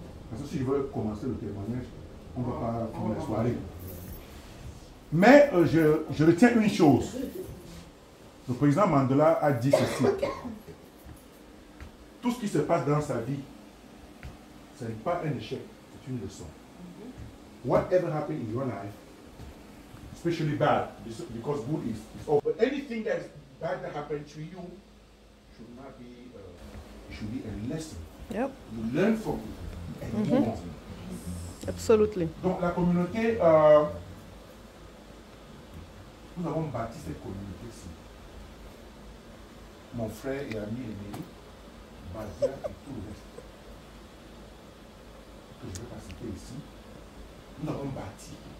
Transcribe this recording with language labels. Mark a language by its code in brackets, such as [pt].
[fr] Parce que si je veux commencer le témoignage, on ne va pas finir la soirée. Mais je retiens une chose. Le président Mandela a dit ceci. Tout ce qui se passe dans sa vie, ce n'est pas un échec, c'est une leçon. [en] Whatever happened in your life, especially bad, because good is over. But anything that's bad that happened to you should not be, it should be a lesson. Yep. You learn from it. Mm-hmm. Absolutely. [fr] Donc la communauté, nous avons bâti cette communauté ici. Mon frère et ami aimé, Bazia et tout le reste, que je ne vais pas citer ici, nous avons bâti.